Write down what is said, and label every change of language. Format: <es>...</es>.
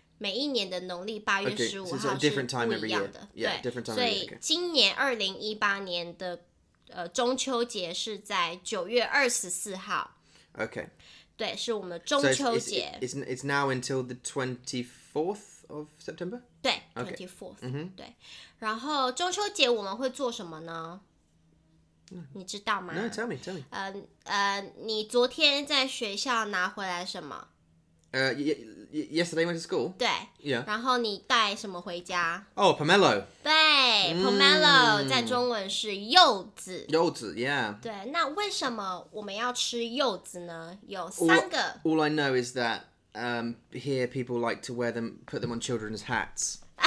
<zh>每一年的农历八月十五号是不一样的，</zh> <en>okay, so yeah,</en> <zh>对，所以今年2018年的中秋节是在9月24号。</zh> <en>OK，</en> <zh>对，是我们的中秋节。</zh> <en>So、it's now until the 24th of September.</en> <zh>对 ，</zh> <en>24th。</en> <zh>对，然后中秋节我们会做什么呢？</zh> <en>No.</en> <zh>你知道吗</zh> <en>？No, tell me.</en> <zh>你昨天在学校拿回来什么？</zh> <en>Yesterday went to school.</en> <zh>对。</zh> <en>Yeah.</en> <zh>然后你带什么回家？</zh> <en>Oh, pomelo.</en> <zh>对，pomelo 在中文是柚子。柚子，yeah. 对，那为什么我们要吃柚子呢？有三个。</zh> <en>All I know is that, here people like to wear them, put them on children's hats.</en>